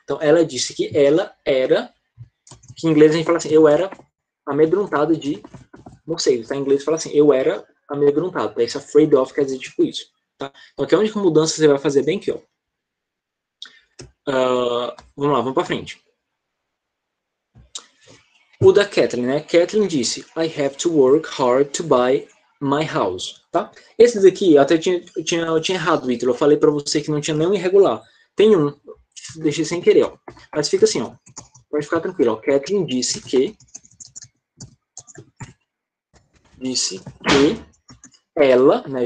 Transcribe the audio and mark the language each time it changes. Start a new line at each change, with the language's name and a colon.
Portuguese: Então ela disse que ela era, que em inglês a gente fala assim, eu era amedrontado de morcego, tá? Em inglês fala assim, eu era amedrontado, tá? Isso afraid of quer dizer tipo isso, tá? Então aqui é a única mudança que você vai fazer bem aqui, ó. Vamos lá, vamos para frente. O da Kathleen, né? Kathleen disse,
English: I have to work hard to buy my house,
Portuguese: tá? Esse daqui, até eu tinha errado, Ítalo. Eu falei para você que não tinha nenhum irregular. Tem um, deixei sem querer, ó. Mas fica assim, ó. Pode ficar tranquilo, ó. Kathleen disse que ela, né?